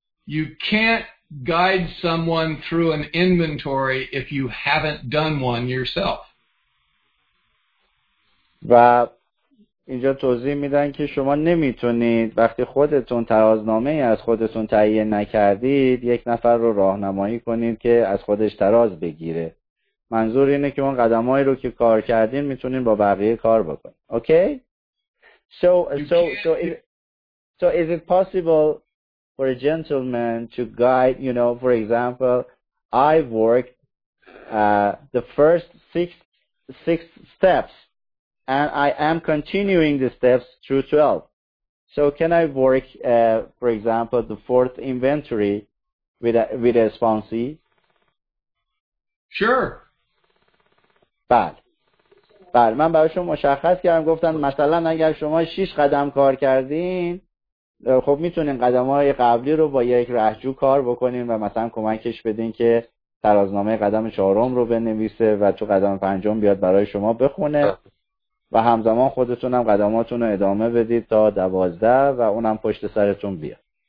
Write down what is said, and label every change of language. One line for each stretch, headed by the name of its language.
English: You can't guide someone through an inventory if you haven't done one yourself.
Persian: و اینجا توضیح میدن که شما نمیتونید وقتی خودتون ترازنامه ای از خودتون تهیه نکردید یک نفر رو راهنمایی کنید که از خودش تراز بگیره. منظور اینه که اون قدمایی رو که کار کردین میتونین با بقیه کار بکنید.
English: Okay? So is it possible for a gentleman to guide, you know, for example, I worked the first six steps and I am continuing the steps through 12. So can I work, for example, the fourth inventory with a sponsee? Sure. But.
Persian: بله من براشون مشخص کردم، گفتن مثلا اگر شما 6 قدم کار کردین خب میتونین قدم‌های قبلی رو با یک رهجو کار بکنین و مثلا کمکش بدین که ترازنامه قدم چهارم رو بنویسه و تو قدم پنجم بیاد برای شما بخونه و همزمان خودتون هم قدماتون رو ادامه بدید تا 12 و اونم پشت سرتون بیاد.